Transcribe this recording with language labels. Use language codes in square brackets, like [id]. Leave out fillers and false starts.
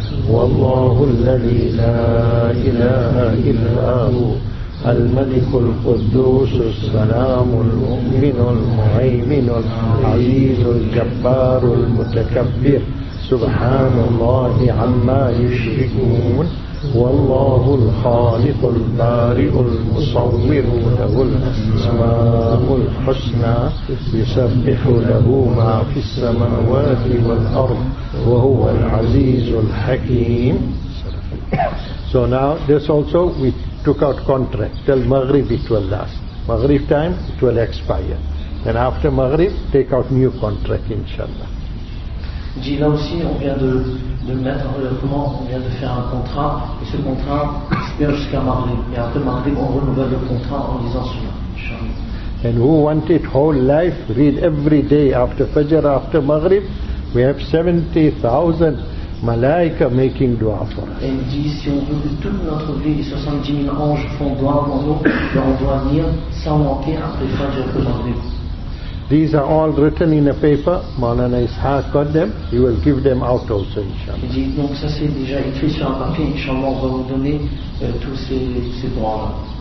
[ar] والله الذي لا إله إلا هو الملك القدوس السلام المؤمن المهيمن العزيز الجبار المتكبر سبحان الله عما يشركون والله الخالق البارئ المصور له الأسماء الحسنى يسبح له ما في السماوات والأرض وهو العزيز الحكيم. [en] So now this also we took out contract till Maghrib, it will last. Maghrib time, it will expire. Then after Maghrib, take out new contract, inshallah. [fr] Dit là aussi, on vient de mettre comment on vient de faire un contrat, et ce contrat expire jusqu'à Maghrib. Et après Maghrib, on renouvelle le contrat en disant cela, inshallah. [en] And who want it whole life, read every day after Fajr, after Maghrib, we have 70,000. Malaika making dua for us. [fr] Et dit, si on veut que toute notre vie, les 70 000 anges font dua pour nous, on doit venir sans manquer après Fajr que Maghrib. [en] These are all written in a paper. Maulana Ishaq got them. He will give them out also, inshallah. [fr] Il dit, donc ça c'est déjà écrit sur un papier, inshallah, on va vous donner tous ces droits-là.